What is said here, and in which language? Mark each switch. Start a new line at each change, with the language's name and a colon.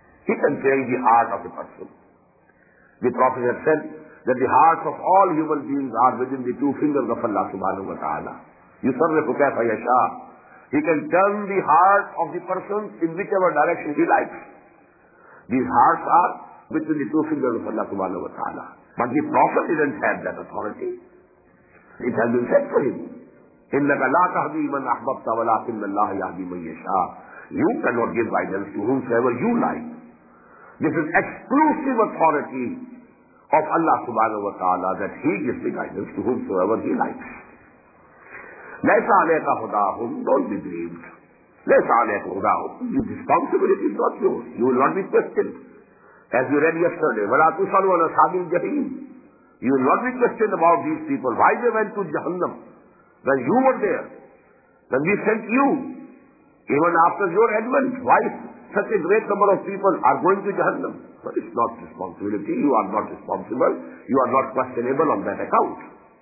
English: He can change the heart of a person. The Prophet has said that the hearts of all human beings are within the two fingers of Allah subhanahu wa ta'ala.
Arabic: يُصَرِّفُ كَيْفَ يَشَاءُ.
English: He can turn the heart of the person in whichever direction he likes. These hearts are between the two fingers of Allah subhanahu wa ta'ala. But the Prophet didn't have that authority. It has been said to him,
Arabic: إِنَّكَ لَا تَهْدِي مَنْ أَحْبَبْتَ وَلَكِنَّ اللَّهَ يَهْدِي مَنْ يَشَاءُ.
English: You cannot give guidance to whomsoever you like. This is exclusive authority of Allah subhanahu wa ta'ala that He gives the guidance to whomsoever He likes.
Arabic: لَيْسَ عَلَيْكَ هُدَاهُمْ.
English: Don't be grieved.
Arabic: لَيْسَ عَلَيْكَ هُدَاهُمْ.
English: Your responsibility is not yours. You will not be questioned. As we read yesterday,
Arabic: وَلَا تُسَلُوا عَلَى صَحَابِ الْجَحِيمِ.
English: You will not be questioned about these people. Why they went to Jahannam? When you were there, when we sent you, even after your advent, why such a great number of people are going to Jahannam? But it's not responsibility. You are not responsible. You are not questionable on that account.